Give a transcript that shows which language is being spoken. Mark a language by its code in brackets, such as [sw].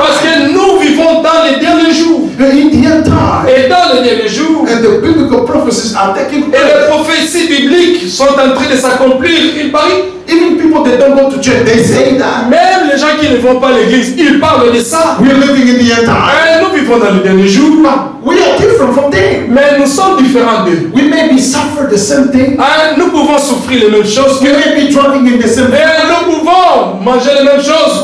[fr] Parce que nous vivons dans les derniers jours. [en] And in the end time. [fr] Et dans les derniers jours. [en] And the biblical prophecies are taking place. [fr] Et les prophéties bibliques sont en train de s'accomplir. Il parie. [en] Even people that don't go to church, they say that. [fr] Même les gens qui ne vont pas à l'église, ils parlent de ça. [en] We are living in the end time. [fr] Et nous vivons dans les derniers jours. [en] But we are different from them. [fr] Mais nous sommes différents d'eux. [en] We may be suffer the same thing. [fr] Et nous pouvons souffrir les mêmes choses. [en] We may be driving in the same. [fr] Et nous pouvons manger les mêmes choses.